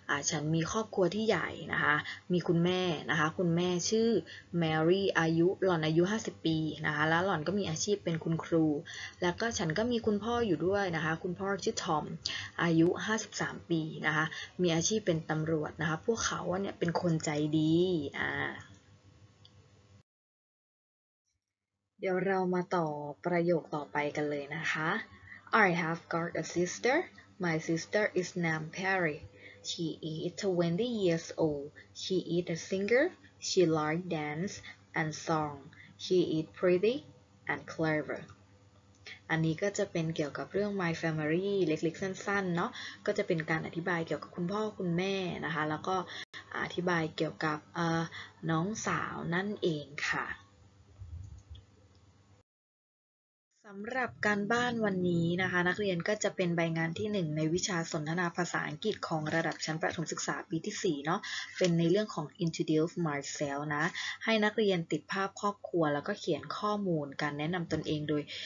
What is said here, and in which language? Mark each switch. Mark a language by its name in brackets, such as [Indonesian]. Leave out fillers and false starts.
[Thai] ฉันมีครอบครัวที่ใหญ่นะคะมีคุณแม่นะคะคุณแม่ชื่อ Mary อายุหล่อนอายุ50ปีนะคะแล้วหล่อนก็มีอาชีพเป็นคุณครูแล้วก็ฉันก็มีคุณพ่ออยู่ด้วยนะคะคุณพ่อชื่อ Tom อายุ53ปีนะคะมีอาชีพเป็นตำรวจนะคะพวกเขาเนี่ยเป็นคนใจดีเดี๋ยวเรามาต่อประโยคต่อไปกันเลยนะคะ [English] I have got a sister. My sister is named Perry. She is 20 years old. She is a singer. She likes dance and song. She is pretty and clever. [Thai] อันนี้ก็จะเป็นเกี่ยวกับเรื่อง My Family เล็กๆสั้นๆเนาะก็จะเป็นการอธิบายเกี่ยวกับคุณพ่อคุณแม่นะคะแล้วก็อธิบายเกี่ยวกับน้องสาวนั่นเองค่ะ สำหรับการบ้านวันนี้นะคะนักเรียนก็จะเป็นใบงานที่หนึ่งในวิชาสนทนาภาษาอังกฤษของระดับชั้นประถมศึกษาปีที่4เนาะเป็นในเรื่องของ Introduce Myself นะให้นักเรียนติดภาพครอบครัวแล้วก็เขียนข้อมูลการแนะนำตนเองโดย